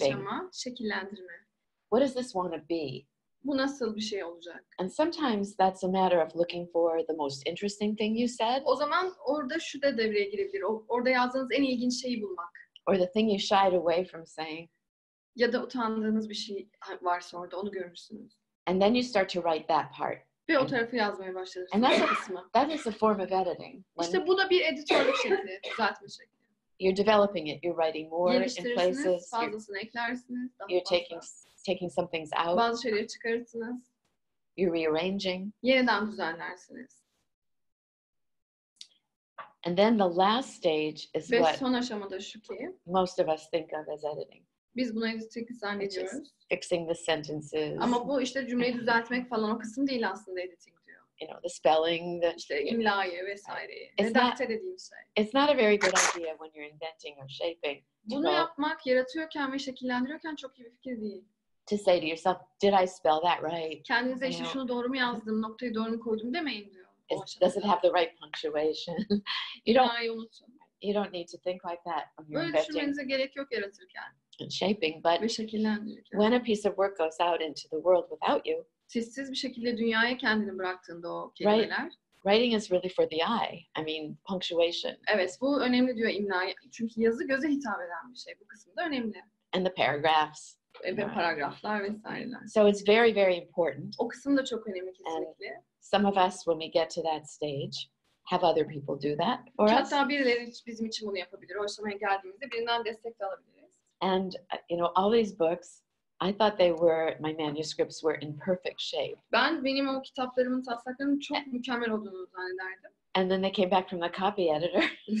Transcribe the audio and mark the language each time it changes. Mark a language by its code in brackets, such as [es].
[tr] Aşama, şekillendirme. [en] What does this want to be? [tr] Bu nasıl bir şey olacak? [en] And sometimes that's a matter of looking for the most interesting thing you said. [tr] O zaman orada şu da devreye girebilir. Orada yazdığınız en ilginç şeyi bulmak. [en] Or the thing you shied away from saying. [tr] Ya da utandığınız bir şey varsa orada onu görürsünüz. [en] And then you start to write that part. [tr] Ve o tarafı yazmaya başlarız. [en] And that is a form of editing. [tr] İşte bu da bir editörlük şekli, düzeltme şekli. [en] You're developing it. You're writing more in places. [tr] Fazlasını eklersiniz. [en] You're taking some things out. [tr] Bazı şeyleri çıkarırsınız. [en] You're rearranging. [tr] Yeniden düzenlersiniz. [en] And then the last stage is [tr] ve [en] what [tr] son aşamada şu ki, [en] most of us think of as editing. [tr] Biz buna editing zannediyoruz. [en] Fixing the sentences. [tr] Ama bu işte cümleyi düzeltmek falan o kısım değil aslında editing diyor. [en] You know, the spelling, the [tr] işte imlayı vesaire. Redakte dediğim şey. [en] It's not a very good idea when you're inventing or shaping. [tr] Bunu yapmak yaratıyorken ve şekillendiriyorken çok iyi bir fikir değil. [en] To say to yourself, did I spell that right? [tr] Kendinize işte şunu doğru mu yazdım, noktayı doğru mu koydum demeyin diyor. [en] Does it have the right punctuation? [tr] İmlayı unutun. [en] You don't need to think like that when you're inventing. [tr] Böyle düşünmenize gerek yok yaratırken. [en] And shaping, but when a piece of work goes out into the world without you, [tr] sessiz bir şekilde dünyaya kendini bıraktığında o kelimeler. [en] Right, writing is really for the eye. I mean, punctuation. [tr] Evet, bu önemli diyor imla. Çünkü yazı göze hitap eden bir şey. Bu kısım da önemli. [en] And the paragraphs. [tr] Evet, paragraflar vesaireler. [en] So it's very, very important. [tr] O kısım da çok önemli kesinlikle. [en] Some of us, when we get to that stage, have other people do that for us. [tr] Hatta birileri bizim için bunu yapabilir. O aşamaya geldiğimizde birinden destek de alabilir. [en] And you know all these books, I thought they were my manuscripts were in perfect shape. [tr] Ben benim o kitaplarımın taslaklarının çok mükemmel olduğunu zannederdim. [en] And then they came back from the copy editor.